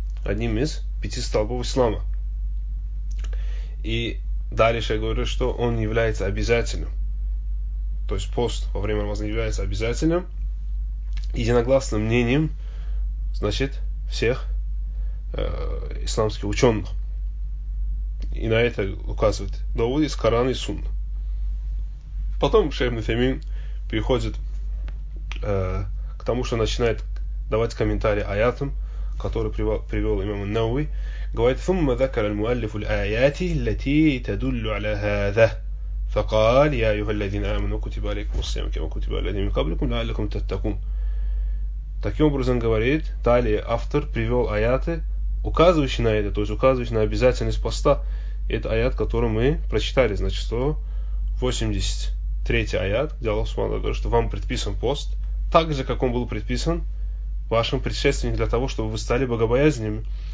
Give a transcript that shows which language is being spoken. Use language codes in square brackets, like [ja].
[ru] Одним из пяти столпов ислама. И дальше я говорю, что он является обязательным. То есть пост во время Рамадана является обязательным. Единогласным мнением, значит, всех исламских ученых. И на это указывает довод из Корана и Сунна. Потом шейх Ибн Усеймин переходит к тому, что начинает давать комментарии аятам, которые привел имам ан-Науви, говорит: [ar] ثم ذكر المؤلف الآيات التي تدل على هذا فقال يا أيها الذين آمنوا كتب عليكم الصيام كما كتب على الذين من قبلكم لعلكم تتقون. [ru] Таким образом говорит, далее автор привел аяты, указывающие на это, то есть указывающие на обязательность поста. Это аят, который мы прочитали, значит, 183 аят, где Аллах Субхану говорит, что вам предписан пост, так же, как он был предписан вашим предшественникам для того, чтобы вы стали богобоязненными.